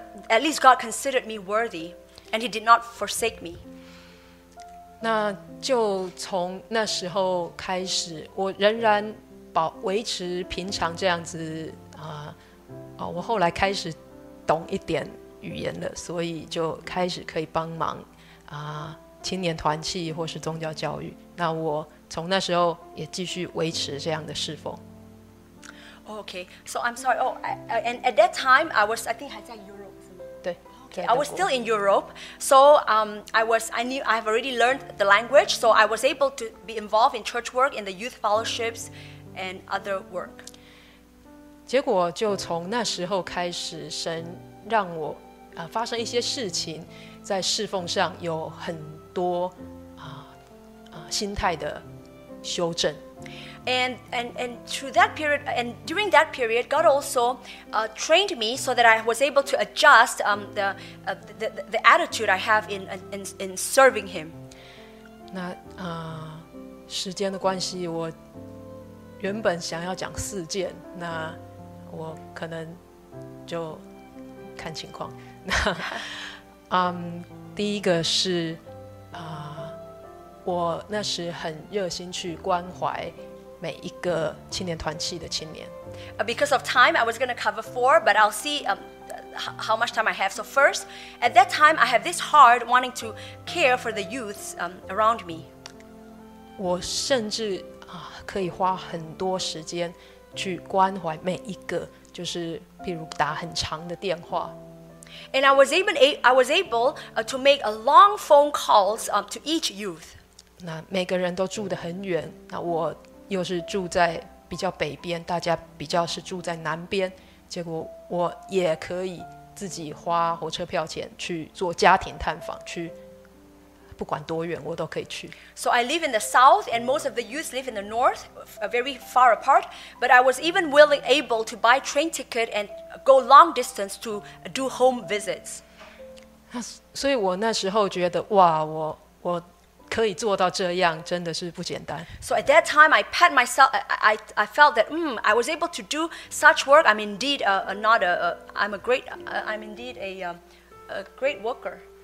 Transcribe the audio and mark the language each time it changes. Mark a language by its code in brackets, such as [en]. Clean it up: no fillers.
[en] at least God considered me worthy, and He did not forsake me. [zh] 那就从那时候开始，我仍然维持平常这样子我后来开始懂一点语言了，所以就开始可以帮忙青年团契或是宗教教育。那我从那时候也继续维持这样的侍奉。 [en] Oh, okay, so I'm sorry. Oh, and at that time, I think [zh] 还在 [en] Europe. [zh] 对 [en] Okay, I was still in Europe. So I've already learned the language, so I was able to be involved in church work, in the youth fellowships, and other work. [zh] 结果就从那时候开始，神让我发生一些事情，在侍奉上有很多心态的修正。 [en] And through that period, and during that period, God also trained me so that I was able to adjust the attitude I have in serving Him. [zh] 那时间的关系，我原本想要讲四件，那我可能就看情况。那第一个是我那时很热心去关怀。每一个青年团契的青年。 [en] Because of time, I was going to cover four, but I'll see how much time I have. So first, at that time, I have this heart wanting to care for the youths around me. [zh] 我甚至可以花很多时间去关怀每一个，就是譬如打很长的电话。 [en] And I was able to make a long phone calls to each youth. [zh] 那每个人都住得很远，那我又是住在比较北边，大家比较是住在南边，结果我也可以自己花火车票钱去做家庭探访，去不管多远我都可以去。 [en] So I live in the south and most of the youth live in the north, very far apart, but I was even willing able to buy train ticket and go long distance to do home visits. [zh] 所以我那时候觉得哇，我可以做到这样真的是不简单。 [en] So at that time I pat myself, I felt that I was able to do such work, I'm indeed a great worker.